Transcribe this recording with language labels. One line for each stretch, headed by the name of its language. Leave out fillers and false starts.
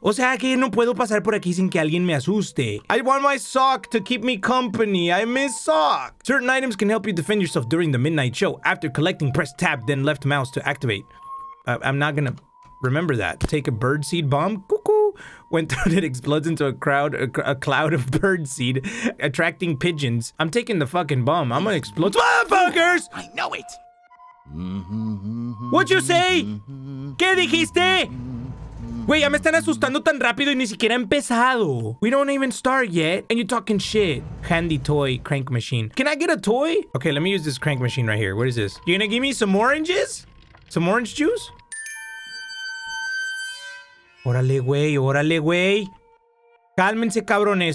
Spanish: O sea que no puedo pasar por aquí sin que alguien me asuste.
English: I want my sock to keep me company. I miss sock. Certain items can help you defend yourself during the midnight show. After collecting, press tab, then left mouse to activate. I'm not gonna remember that. Take a birdseed bomb. Cuckoo. When thrown, it explodes into a cloud of birdseed, attracting pigeons. I'm taking the fucking bomb. I'm gonna explode. Motherfuckers! I know it. What'd you say?
Spanish: ¿Qué dijiste?
English: Wait,
Spanish: ya me están asustando tan rápido y ni siquiera he empezado.
English: We don't even start yet, and you're talking shit. Handy toy, crank machine. Can I get a toy? Okay, let me use this crank machine right here. What is this? You gonna give me some oranges? Some orange juice?
Spanish: Órale, güey, órale, güey. Cálmense, cabrones.